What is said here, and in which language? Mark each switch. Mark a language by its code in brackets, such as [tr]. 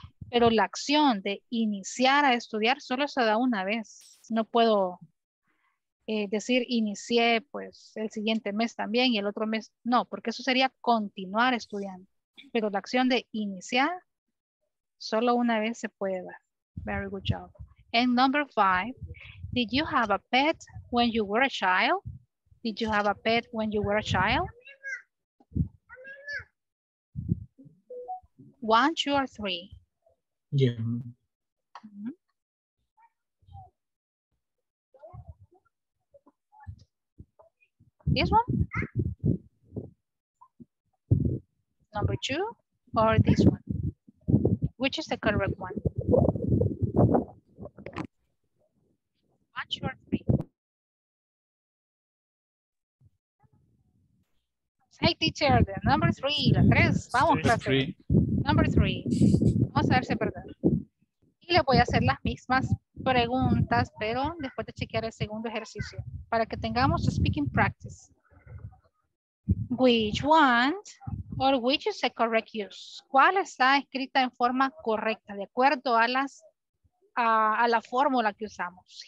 [es] Pero la acción de iniciar a estudiar solo se da una vez. No puedo... decir, inicié pues el siguiente mes también y el otro mes, no, porque eso sería continuar estudiando. Pero la acción de iniciar, solo una vez se puede dar. [en] Very good job. And number five, did you have a pet when you were a child? Did you have a pet when you were a child? One, two, or three? Yeah. Mm-hmm. This one? Number two or this one? Which is the correct one? One, two, or three? Hey, teacher, the number three. [es] La tres. Vamos, clase. [en] Number three. [es] Vamos a ver si es verdad. Y le voy a hacer las mismas preguntas, pero después de chequear el segundo ejercicio, para que tengamos speaking practice. [en] Which one or which is the correct use? [es] ¿Cuál está escrita en forma correcta de acuerdo a las a la fórmula que usamos?